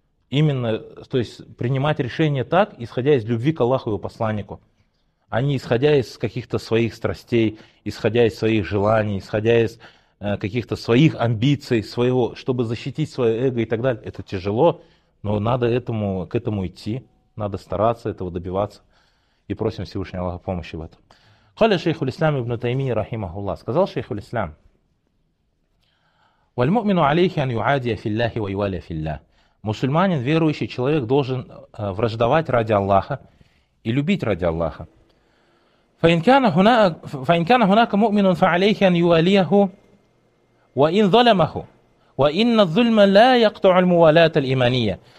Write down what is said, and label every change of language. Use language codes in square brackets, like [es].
[ru] Именно, то есть, принимать решение так, исходя из любви к Аллаху и его посланнику, а не исходя из каких-то своих страстей, исходя из своих желаний, исходя из каких-то своих амбиций, своего, чтобы защитить свое эго и так далее. Это тяжело, но надо к этому идти, надо стараться этого добиваться. И просим Всевышнего Аллаха помощи в этом. [ar] قال شيخ الإسلام ابن تيمية رحمه الله. Сказал شيخ الإسلام. والمؤمن عليه أن يعادي في الله ويوالي في الله. [ru] Мусульманин, верующий человек, должен враждовать ради Аллаха и любить ради Аллаха. [ar] فإن كان هناك مؤمن فعليه أن يواليه وإن ظلمه وإن الظلم لا يقطع الموالاة الإيمانية.